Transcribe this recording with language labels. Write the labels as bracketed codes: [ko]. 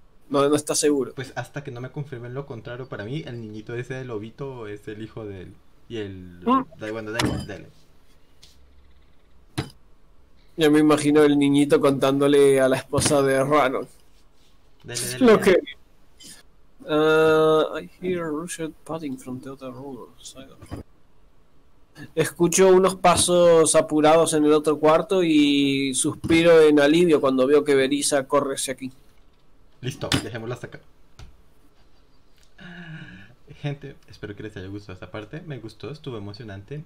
[es] No, no está seguro. Pues hasta que no me confirmen lo contrario, para mí el niñito ese del lobito es el hijo de él. Y el, bueno, da igual, dele. Ya me imagino el niñito contándole a la esposa de Rano lo Dele, que. dele. [en] I hear Rushed padding from the other room. [es] Escucho unos pasos apurados en el otro cuarto y suspiro en alivio cuando veo que Berisa corre hacia aquí. Listo, dejémoslo hasta acá. Gente, espero que les haya gustado esta parte. Me gustó, estuvo emocionante.